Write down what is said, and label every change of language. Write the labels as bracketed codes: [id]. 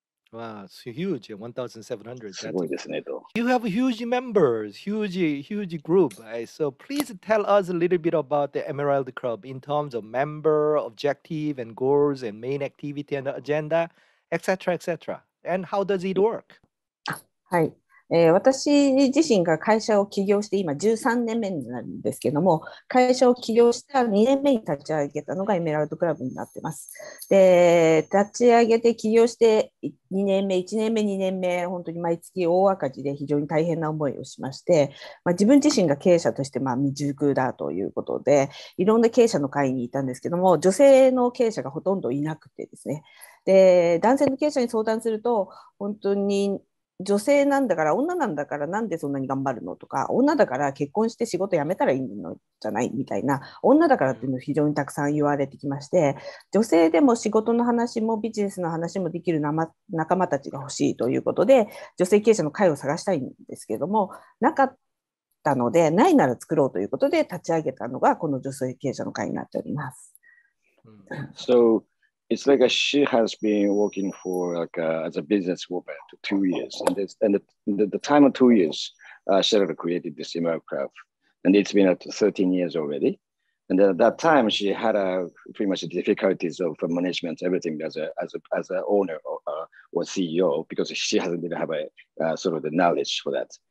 [en] Wow, it's huge, 1,700. [ja] すごいですね、と。 [en] You have huge members, huge group. So please tell us a little bit about the Emerald Club in terms of member, objective and goals and main activity and agenda, etc., etc. And how does it work? [ja] はい。私自身が会社を起業して今13年目になるんですけども、会社を起業した2年目に立ち上げたのがエメラルドクラブになってます。で、立ち上げて起業して2年目、1年目、2年目、本当に毎月大赤字で非常に大変な思いをしまして、まあ、自分自身が経営者としてまあ未熟だということで、いろんな経営者の会にいたんですけども、女性の経営者がほとんどいなくてですね。で、男性の経営者に相談すると、本当に女性なんだから女なんだからなんでそんなに頑張るのとか女だから結婚して仕事辞めたらいいのじゃないみたいな女だからっていうのを非常にたくさん言われてきまして女性でも仕事の話もビジネスの話もできる仲間たちが欲しいということで女性経営者の会を探したいんですけどもなかったのでないなら作ろうということで立ち上げたのがこの女性経営者の会になっております、 [en] So It's like she has been working for like a, as a business woman for 2 years. And, this, and the time of 2 years, she had created this Emerald Club. And it's been 13 years already. And at that time, she had pretty much difficulties of management, everything as a owner or CEO, because she hasn't even have a sort of the knowledge for that.